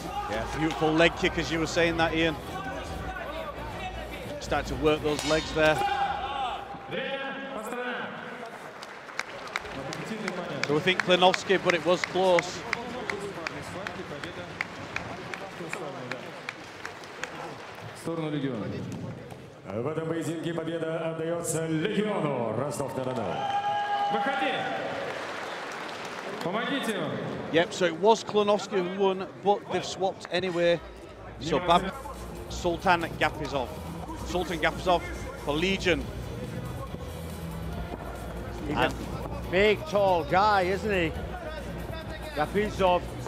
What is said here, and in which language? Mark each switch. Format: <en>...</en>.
<en>Yeah, beautiful leg kick, as you were saying that, Ian. Start to work those legs there. So we think Klinowski, but it was close.</en> <ru>В этом поединке победа отдается легиону Ростов-на-Дону. Выходи! Помогите!</ru> <en>Yep, so it was Klinowski who won, but they've swapped anyway. So Sultan Gapizov. Sultan Gapizov for Legion. He's a big, tall guy, isn't he? Gapizov.</en>